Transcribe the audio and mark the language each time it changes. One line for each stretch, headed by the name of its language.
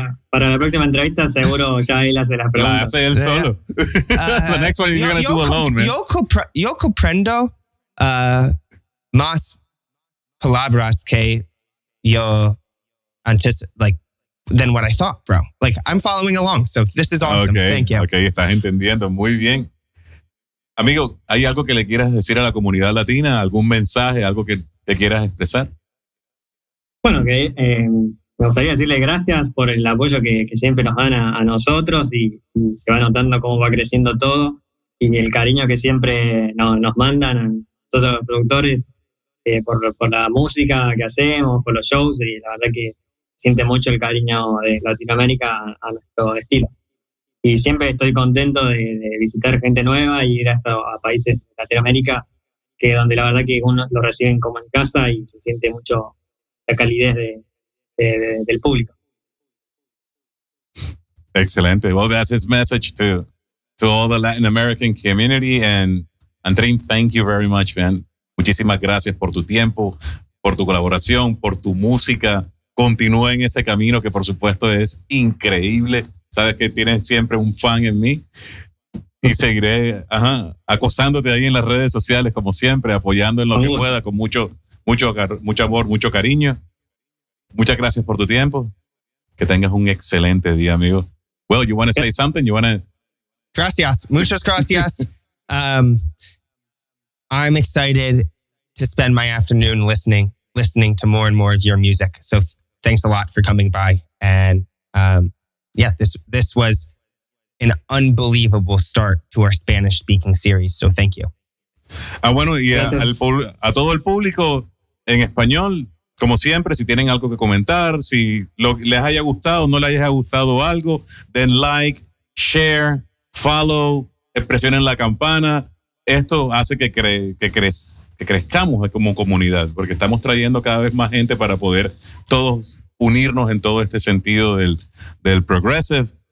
Spanish: Para la próxima entrevista, seguro ya él hace las preguntas. La hace él solo.
English: The next one you're going to do alone, man.
Spanish: Yo comprendo más palabras que yo
English: than what I thought, bro. Like, I'm following along. So this is awesome. Okay. Thank you.
Spanish: Okay, estás entendiendo. Muy bien. Amigo, ¿hay algo que le quieras decir a la comunidad latina? ¿Algún mensaje? ¿Algo que te quieras expresar? Bueno, que me gustaría decirle gracias por el apoyo que siempre nos dan a nosotros y se va notando cómo va creciendo todo y el cariño que siempre nos mandan a todos los productores por la música que hacemos, por los shows y la verdad que siente mucho el cariño de Latinoamérica a nuestro estilo. Y siempre estoy contento de visitar gente nueva y ir a países de Latinoamérica, que donde la verdad que uno lo reciben como en casa y se siente mucho la calidez del público. Excelente.
English: Well, that's his message to all the Latin American community. And Andrin, thank you very much, man.
Spanish: Muchísimas gracias por tu tiempo, por tu colaboración, por tu música. Continúa en ese camino que por supuesto es increíble. Sabes que tienes siempre un fan en mí y seguiré acosándote ahí en las redes sociales como siempre, apoyando en lo que pueda con mucho amor, mucho cariño. Muchas gracias por tu tiempo. Que tengas un excelente día, amigo.
English: Well, you want to say something? You want to
Spanish: Gracias. Muchas gracias.
English: I'm excited to spend my afternoon listening to more and more of your music. So thanks a lot for coming by. And this was an unbelievable start to our Spanish speaking series. So thank you.
Spanish: Ah, bueno, y a todo el público en español, como siempre, si tienen algo que comentar, si les haya gustado o no les haya gustado algo, den like, share, follow, presionen la campana. Esto hace que crezcamos como comunidad, porque estamos trayendo cada vez más gente para poder todos unirnos en todo este sentido del progressive.